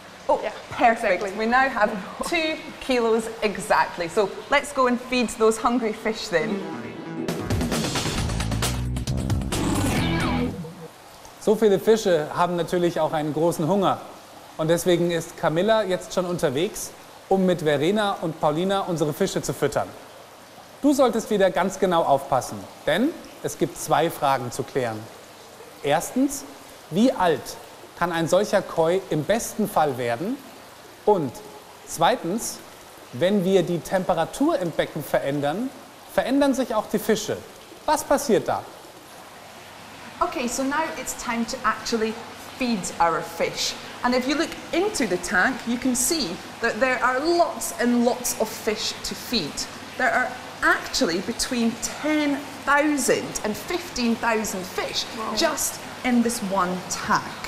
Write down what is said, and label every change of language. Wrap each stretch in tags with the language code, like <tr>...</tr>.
<en>Oh, yeah, perfect. Exactly. We now have 2 kilos exactly. So let's go and feed those hungry fish then.</en> <de>So viele Fische haben natürlich auch einen großen Hunger. Und deswegen ist Camilla jetzt schon unterwegs, um mit Verena und Paulina unsere Fische zu füttern. Du solltest wieder ganz genau aufpassen, denn es gibt 2 Fragen zu klären. Erstens, wie alt kann ein solcher Koi im besten Fall werden? Und zweitens, wenn wir die Temperatur im Becken verändern, verändern sich auch die Fische. Was passiert da?</de> <en>Okay, so now it's time to actually feed our fish. And if you look into the tank, you can see that there are lots and lots of fish to feed. There are actually between 10,000 and 15,000 fish just in this one tank.</en>